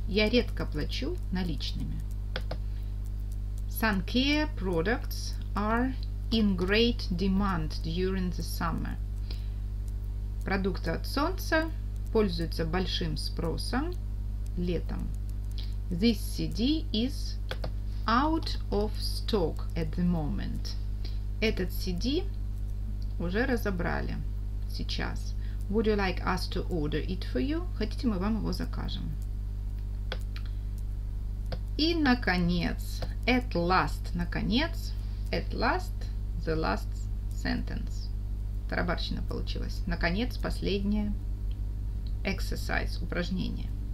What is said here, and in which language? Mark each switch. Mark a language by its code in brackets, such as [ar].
[ru] Я редко плачу наличными. [en] Sun care products are in great demand during the summer. [ru] Продукты от солнца пользуются большим спросом летом. [en] This CD is out of stock at the moment. [ru] Этот CD уже разобрали сейчас. [en] Would you like us to order it for you? [ru] Хотите, мы вам его закажем. И, наконец, [en] at last, [ru] наконец, [en] at last, the last sentence. [ru] Тарабарщина получилась. Наконец, последнее exercise, упражнение.